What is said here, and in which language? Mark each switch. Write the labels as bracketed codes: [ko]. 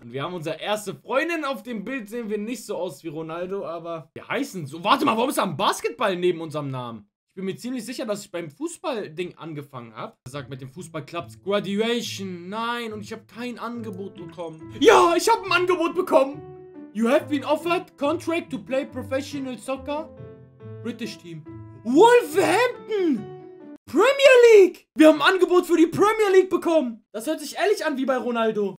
[de] Und wir haben unsere erste Freundin auf dem Bild, sehen wir nicht so aus wie Ronaldo, aber... Wir heißen so... Warte mal, warum ist da ein Basketball neben unserem Namen? Ich bin mir ziemlich sicher, dass ich beim Fußball-Ding angefangen habe. Sagt mit dem Fußball klappt's. Graduation, nein, und ich habe kein Angebot bekommen. Ja, ich habe ein Angebot bekommen! [en] You have been offered contract to play professional soccer? British Team. Wolverhampton! Premier League! [de] Wir haben ein Angebot für die Premier League bekommen. Das hört sich ehrlich an wie bei Ronaldo.